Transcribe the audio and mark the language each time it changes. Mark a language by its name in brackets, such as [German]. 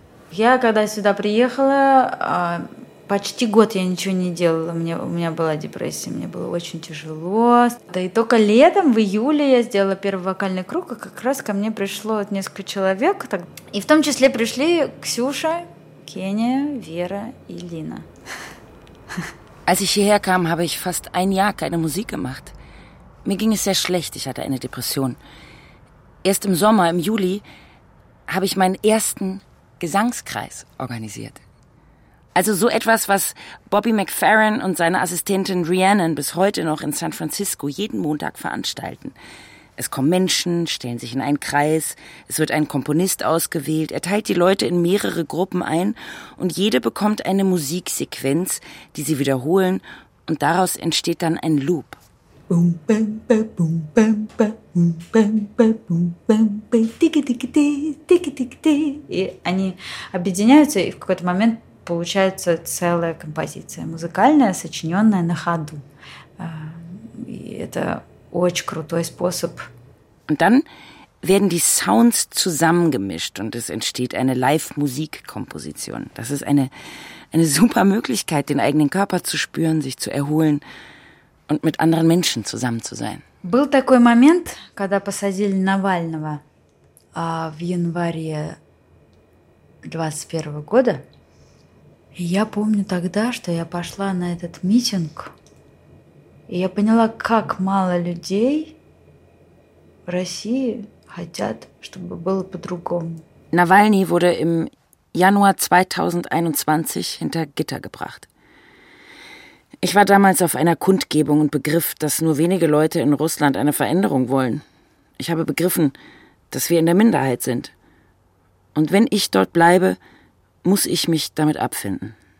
[Russian] Я когда сюда приехала, почти год я ничего не делала. У меня была депрессия, мне было очень тяжело. Да и только летом, в июле, я сделала первый вокальный круг, и как раз ко мне пришло несколько человек. Так, и в том числе пришли Ксюша, Кения, Вера и Лина. [German] Als ich hierher kam, habe ich fast ein Jahr keine Musik gemacht. Mir ging es sehr schlecht, ich hatte eine Depression. Erst im Sommer, im Juli, habe ich meinen ersten Gesangskreis organisiert. Also so etwas, was Bobby McFerrin und seine Assistentin Rhiannon bis heute noch in San Francisco jeden Montag veranstalten. Es kommen Menschen, stellen sich in einen Kreis, es wird ein Komponist ausgewählt, er teilt die Leute in mehrere Gruppen ein und jede bekommt eine Musiksequenz, die sie wiederholen und daraus entsteht dann ein Loop. Boom, bam, ba, boom, bam, ba, boom, bam, ba, boom, bam, ba, tiki-tiki-ti, tiki-tiki-ti. [Russian] И они объединяются, и в какой-то момент получается целая композиция музыкальная, сочиненная на ходу. И это очень крутой способ. [German] Und dann werden die Sounds zusammengemischt und es entsteht eine Live-Musik-Komposition. Das ist eine super Möglichkeit, den eigenen Körper zu spüren, sich zu erholen. Und mit anderen Menschen zusammen zu sein. [Russian] Был такой момент, когда посадили Навального в январе 21 года. И я помню тогда, что я пошла на этот митинг, и я поняла, как мало людей в России хотят, чтобы было по-другому. [German] Навальный wurde im Januar 2021 hinter Gitter gebracht. Ich war damals auf einer Kundgebung und begriff, dass nur wenige Leute in Russland eine Veränderung wollen. Ich habe begriffen, dass wir in der Minderheit sind. Und wenn ich dort bleibe, muss ich mich damit abfinden.